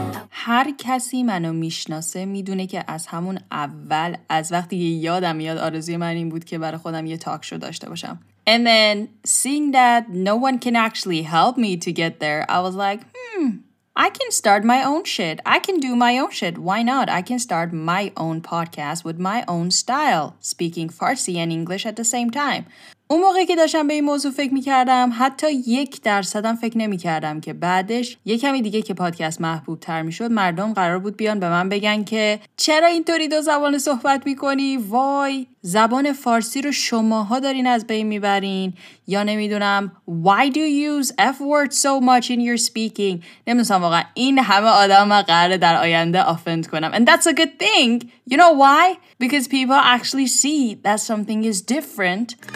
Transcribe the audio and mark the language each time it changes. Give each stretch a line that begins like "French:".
Persian: هر کسی منو میشناسه میدونه که از همون اول، از وقتی یادم میاد، آرزوی من این بود که برای خودم یه تاک شو داشته باشم.
English: And then seeing that no one can actually help me to get there, I was like, I can start my own shit. I can do my own shit. Why not? I can start my own podcast with my own style, speaking Farsi and English at the same time.
Persian: اون موقعی که داشتم به این موضوع فکر میکردم، حتی 1% فکر نمیکردم که بعدش یه کمی دیگه که پادکست محبوب تر میشد، مردم قرار بود بیان به من بگن که چرا اینطوری دو زبان صحبت میکنی؟ وای، زبان فارسی رو شماها دارین از بین میبرین، یا نمیدونم
English: Why do you use F word so much in your speaking؟
Persian: نمیدونم واقعا این همه آدم من قراره در آینده آفند کنم.
English: And that's a good thing. You know why? Because people actually see that something is different.